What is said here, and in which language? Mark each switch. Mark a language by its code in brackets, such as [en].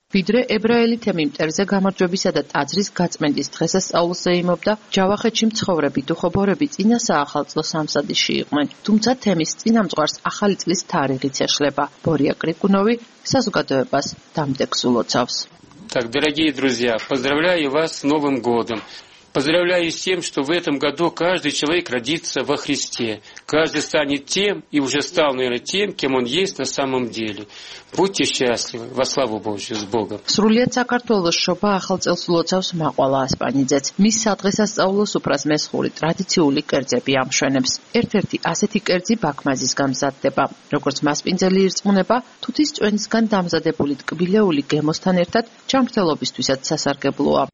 [ka] ვიდრე ებრაელი თემი მტერზე გამარჯვებისა და ტაძრის გაწმენდის დღესასწაულს ეიმობდა, ჯავახეთში მცხოვრები დუხობორები წინა საახალწლო სამზადისში იყვნენ. თუმცა თემის წინამძღვარს ახალი წლის თარიღიც ეშლება. ბორია კრიკუნოვი საზოგადოებას დამდეგსულოცავს. [ru] Так, дорогие друзья, поздравляю вас с Новым годом. Поздравляю с тем, что в этом году каждый человек родится во Христе. Каждый станет тем и уже стал, наверное, тем, кем он есть на самом деле. Будьте счастливы. Во славу Божию, с Богом. [ka] Срулет საქართველოს შობა ახალწელს ლოცავს მაყვალა ასპანიძეც. მის სადღესასწაულო სუფრას მესხური ტრადიციული კერძები ამშვენებს. ერთ-ერთი ასეთი კერძი ბაქმაძის გამზადდება. როგორც მასპინძელი ირწმუნება, თუთის წვენისგან დამზადებული ტკბილეული გემოსთან ერთად ჩამრთელობისთვისაც სასარგებლოა.